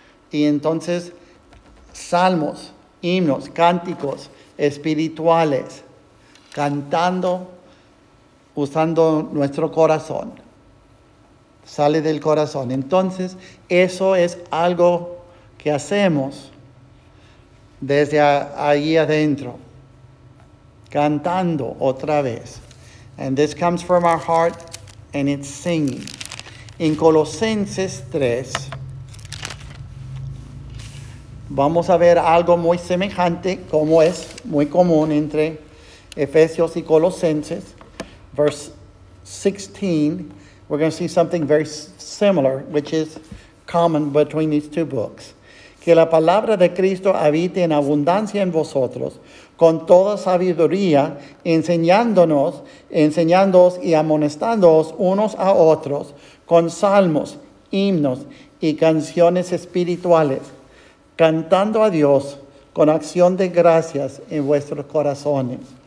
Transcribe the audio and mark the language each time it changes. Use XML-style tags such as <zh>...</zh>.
<es>Y entonces, salmos, himnos, cánticos espirituales, cantando, usando nuestro corazón. Sale del corazón. Entonces, eso es algo que hacemos desde ahí adentro. Cantando otra vez.</es> <en>And this comes from our heart and it's singing.</en> <es>En Colosenses 3, vamos a ver algo muy semejante, como es muy común entre Efesios y Colosenses.</es> <en>Verse 16, we're going to see something very similar, which is common between these two books.</en> <es>Que la palabra de Cristo habite en abundancia en vosotros, con toda sabiduría, enseñándoos y amonestándoos unos a otros, con salmos, himnos y canciones espirituales, cantando a Dios con acción de gracias en vuestros corazones.</es>